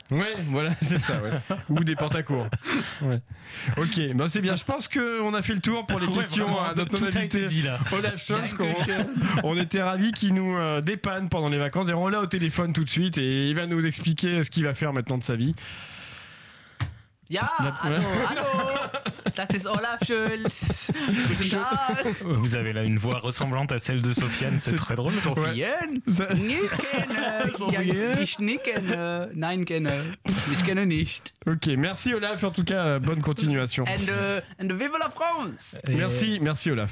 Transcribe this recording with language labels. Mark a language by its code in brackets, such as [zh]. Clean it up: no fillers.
[fr] Ouais, voilà, c'est ça. Ouais. Ou des pantacours. Ouais. Ok, ben c'est bien. Je pense qu'on a fait le tour pour les questions à notre invité Olaf Scholz. On était ravis qu'il nous dépanne pendant les vacances. D'ailleurs, on l'a au téléphone tout de suite et il va nous expliquer ce qu'il va faire maintenant de sa vie. [de] Ya, allô, allô, das ist Olaf Scholz. [fr] Vous avez là une voix ressemblante à celle de Sofiane, c'est très drôle. Sofiane, ouais. [de] Ich kenne nicht. [fr] Ok, merci Olaf, en tout cas, bonne continuation. And vive la France. Et merci, merci Olaf.